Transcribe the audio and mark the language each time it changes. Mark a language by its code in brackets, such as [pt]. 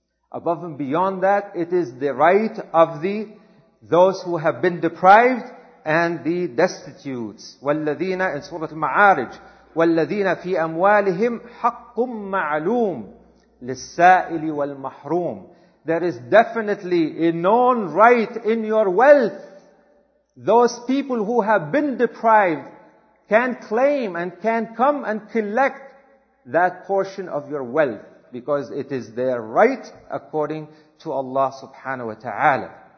[en] Above and beyond that, it is the right of those who have been deprived and the destitutes. [ar] وَالَّذِينَ [en] in Surah Al-Ma'arij, [ar] وَالَّذِينَ فِي أَمْوَالِهِمْ حَقٌّ مَعْلُومٌ لِلسَّائِلِ وَالْمَحْرُومِ. [en] There is definitely a known right in your wealth. Those people who have been deprived can claim and can come and collect that portion of your wealth. because it is their right according to Allah subhanahu wa ta'ala.